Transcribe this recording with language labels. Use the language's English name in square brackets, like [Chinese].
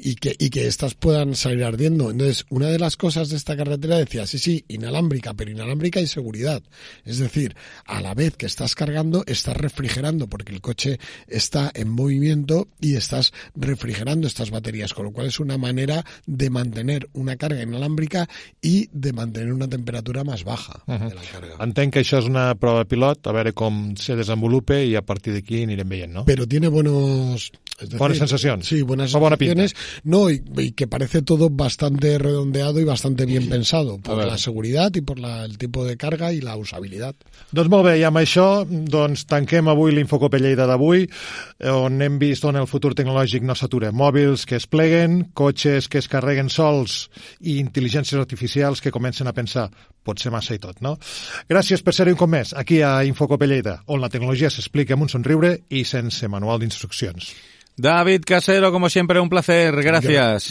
[Spanish] Y que estas puedan salir ardiendo. Entonces, una de las cosas de esta carretera decía, sí, sí, inalámbrica, pero inalámbrica y seguridad. Es decir, a la vez que estás cargando, estás refrigerando, porque el coche está en movimiento y estás refrigerando estas baterías, con lo cual es una manera de mantener una carga inalámbrica y de mantener una temperatura más baja uh-huh. de la carga. [Catalan] Entenc que això és una prova pilot, a veure com se desenvolupe i a partir d'aquí anirem veient, no? [Spanish] Pero tiene buenos... Es decir, buenas sensaciones. Sí, buenas sensaciones. No, y que parece todo bastante redondeado y bastante bien pensado por la seguridad y por el tipo de carga y la usabilidad. [Catalan] Doncs molt bé, i amb això doncs tanquem avui l'InfoCope Lleida d'avui, on hem vist on el futur tecnològic no s'atura. Mòbils que es pleguen, cotxes que es carreguen sols i intel·ligències artificials que comencen a pensar, potser massa i tot, no? Gràcies per ser-hi un cop més aquí a InfoCope Lleida, on la tecnologia s'explica amb un somriure i sense manual d'instruccions. [Spanish] David Casero, como siempre, un placer. Gracias.